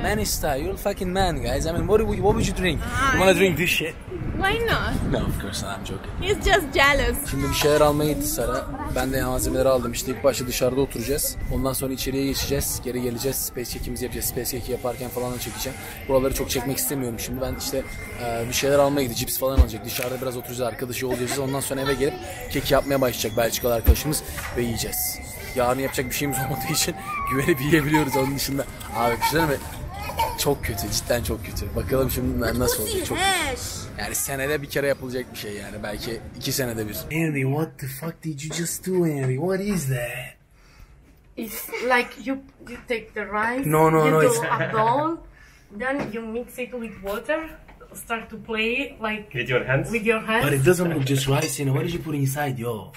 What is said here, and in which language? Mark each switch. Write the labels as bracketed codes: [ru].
[en] Manish style, you're a fucking man, guys. I mean, what would you drink? You wanna drink this shit? Why not? No, of course not. I'm joking. He's just jealous. [tr] Şimdi bir şeyler almaya gitti Sara. Ben de malzemeleri aldım. İşte ilk başta dışarıda oturacağız. Ondan sonra içeriye geçeceğiz. Geri geleceğiz. Space check'imizi yapacağız. Space check'i yaparken falan da çekeceğim. Buraları çok çekmek istemiyorum şimdi. Ben işte bir şeyler almaya gitti. Cips falan alacak. Dışarıda biraz oturacağız. Arkadaşı olacağız. Ondan sonra eve gelip kek yapmaya başlayacak Belçikalı arkadaşımız. Ve yiyeceğiz. Yarın yapacak bir şeyimiz olmadığı için güvenip yiyebiliyoruz onun dışında. Abi bir şeyler mi? Çok kötü, cidden çok kötü. Bakalım şimdi nasıl olacak, çok kötü. Yani senede bir kere yapılacak bir şey yani. Belki iki senede bir. [en] Andy, what the fuck did you just do, Andy? What is that? It's like you take the rice. No, you do a bowl, then you mix it with water. start to play like with your hands. With your hands. But it doesn't look just rice. You know, what did you put inside, yo?